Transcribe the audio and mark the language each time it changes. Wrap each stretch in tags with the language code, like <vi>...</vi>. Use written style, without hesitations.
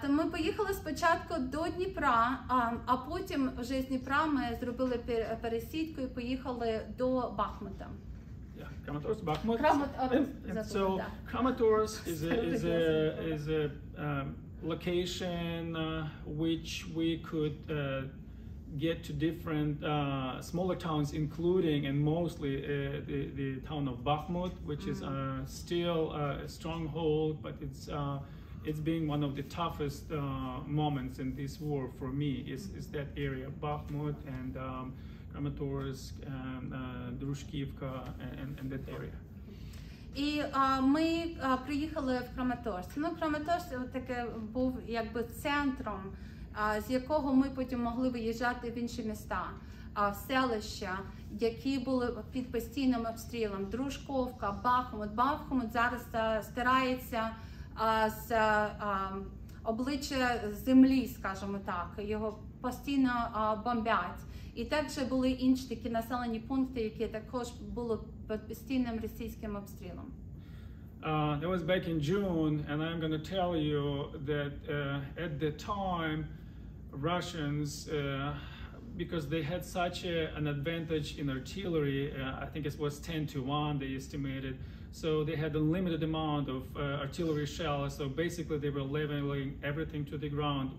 <uk>То ми поїхали спочатку до Дніпра, а потім вже з Дніпра ми зробили пересідку і поїхали до Бахмута.</uk> <en>Kramatorsk, Bahmut. Kramatorsk is a location which we could get to different smaller towns, including and mostly the town of Bahmut, which is still a stronghold, but it's been one of the toughest moments in this war for me. Is that area, Bahmut and Kramatorsk and Drushkivka and that area.</en> <uk>І ми приїхали в Kramatorsk. Kramatorsk таке був якби центром, з якого ми потім могли виїжджати в інші міста. селища, які були під постійним обстрілом. Дружковка, Бахмут. Бахмут зараз стирається з обличчя землі, скажімо так. Його постійно бомбять. І також були інші такі населені пункти, які також були під постійним російським обстрілом.</uk> <en>That was back in June, and I'm going to tell you that at the time, Russians, because they had such an advantage in artillery, I think it was 10 to 1, they estimated, so they had a limited amount of artillery shells, so basically they were leveling everything to the ground.</en>